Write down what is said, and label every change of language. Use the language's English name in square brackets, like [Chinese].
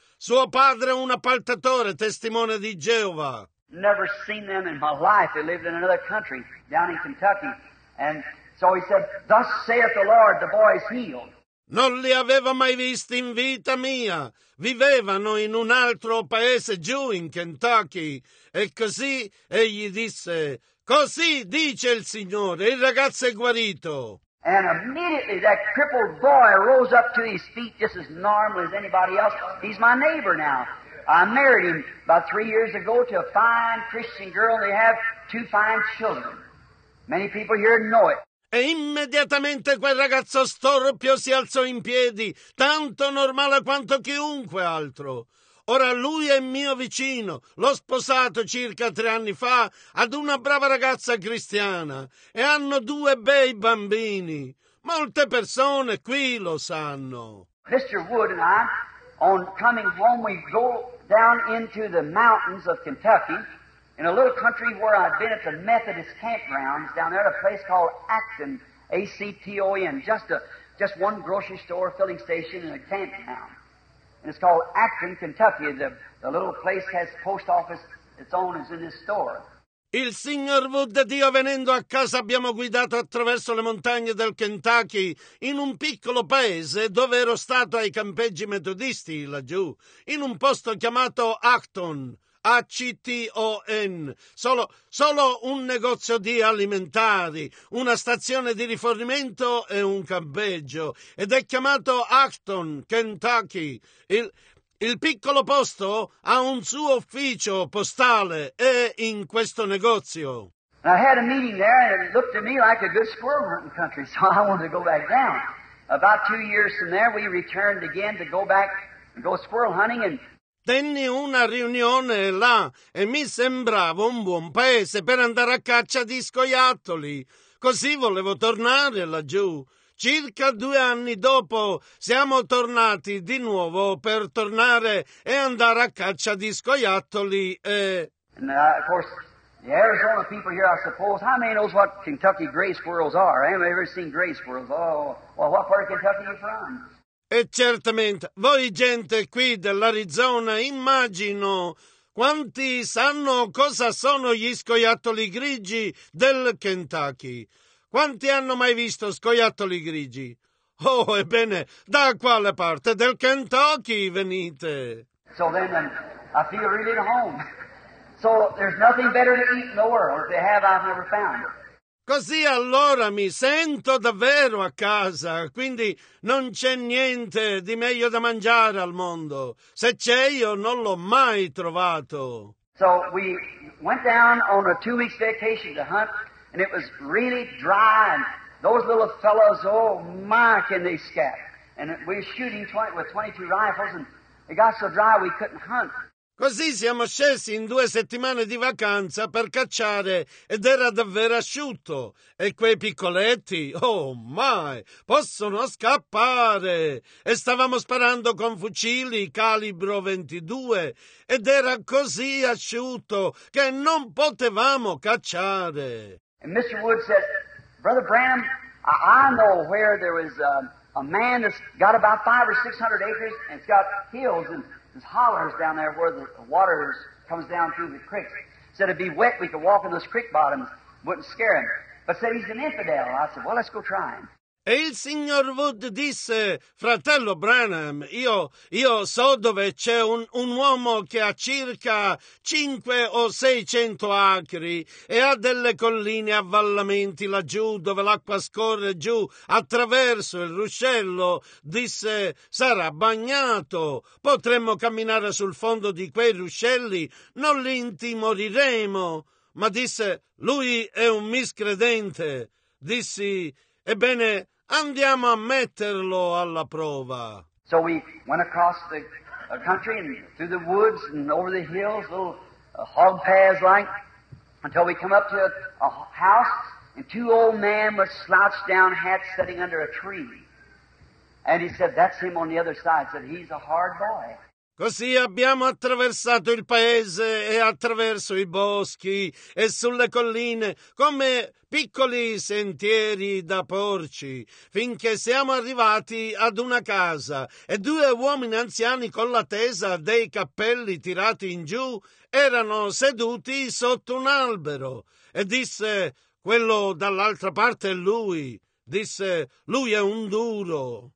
[Italian] Suo padre è un appaltatore, testimone di Geova. [English] Never seen them in my life. They lived in another country, down in Kentucky. And so he said, thus saith the Lord, the boy is healed. [Italian] Non li aveva mai visti in vita mia. Vivevano in un altro paese giù in Kentucky. E così egli disse, così dice il Signore, il ragazzo è guarito. [English] And immediately that crippled boy rose up to his feet just as normal as anybody else. He's my neighbor now. I married him about 3 years ago to a fine Christian girl. They have two fine children. Many people here know it. [Italian] E immediatamente quel ragazzo storpio si alzò in piedi, tanto normale quanto chiunque altro. Ora lui è mio vicino, l'ho sposato circa 3 anni fa ad una brava ragazza cristiana e hanno 2 bei bambini. Molte persone qui lo sanno. [English] Mr. Wood and I, on coming home, we go down into the mountains of Kentucky in a little country where I've been at the Methodist campgrounds down there at a place called Acton, A-C-T-O-N, just one grocery store filling station in a campground. And it's called Acton, Kentucky. The little place has post office its own is in this store. [Italian] Il signor Wood ed io venendo a casa abbiamo guidato attraverso le montagne del Kentucky in un piccolo paese dove ero stato ai campeggi metodisti laggiù, in un posto chiamato Acton, A-C-T-O-N, solo un negozio di alimentari, una stazione di rifornimento e un campeggio, ed è chiamato Acton, Kentucky. Il piccolo posto ha un suo ufficio postale e in questo negozio. [English] I had a meeting there and it looked to me like a good squirrel hunting country, so I wanted to go back down. About 2 years from there we returned again to go back and go squirrel hunting and... [Italian] Tenni una riunione là e mi sembrava un buon paese per andare a caccia di scoiattoli. Così volevo tornare laggiù. Circa 2 anni dopo siamo tornati di nuovo per tornare e andare a caccia di scoiattoli e... [English] And, of course, the Arizona people here, I suppose, how many knows what Kentucky gray squirrels are? Have you ever seen gray squirrels? Oh, well, what part of Kentucky are you from? [Italian] E certamente, voi gente qui dell'Arizona, immagino quanti sanno cosa sono gli scoiattoli grigi del Kentucky. Quanti hanno mai visto scoiattoli grigi? Oh, ebbene, da quale parte del Kentucky venite? [English] So then I feel really at home. So there's nothing better to eat in the world. If they have, I've never found it. [Italian] Così allora mi sento davvero a casa, quindi non c'è niente di meglio da mangiare al mondo. Se c'è, io non l'ho mai trovato. [English] So we went down on a 2 weeks vacation to hunt, and it was really dry, and those little fellows, oh my, can they scat. And we were shooting with 22 rifles, and it got so dry we couldn't hunt. [Italian] Così siamo scesi in 2 settimane di vacanza per cacciare ed era davvero asciutto. E quei piccoletti, [English] oh my, [Italian] possono scappare. E stavamo sparando con fucili calibro 22 ed era così asciutto che non potevamo cacciare. [English] And Mr. Wood said, Brother Branham, I know where there was a man that's got about 500 or 600 acres and it's got hills and... There's hollers down there where the water comes down through the creeks. Said it'd be wet, we could walk in those creek bottoms. wouldn't scare him. But said he's an infidel. I said, well, let's go try him. [Italian] E il signor Wood disse, fratello Branham, io so dove c'è un uomo che ha circa 500 o 600 acri e ha delle colline a avvallamenti laggiù dove l'acqua scorre giù attraverso il ruscello, disse, sarà bagnato, potremmo camminare sul fondo di quei ruscelli, non li intimoriremo. Ma disse, lui è un miscredente. Dissi, ebbene, andiamo a metterlo alla prova. [English] So we went across the country and through the woods and over the hills, little hog paths like, until we come up to a house and two old men were slouched down, hats sitting under a tree. And he said, that's him on the other side. He said, he's a hard boy. [Italian] Così abbiamo attraversato il paese e attraverso i boschi e sulle colline come piccoli sentieri da porci, finché siamo arrivati ad una casa e due uomini anziani con la tesa dei capelli tirati in giù erano seduti sotto un albero e disse, quello dall'altra parte è lui, disse, lui è un duro.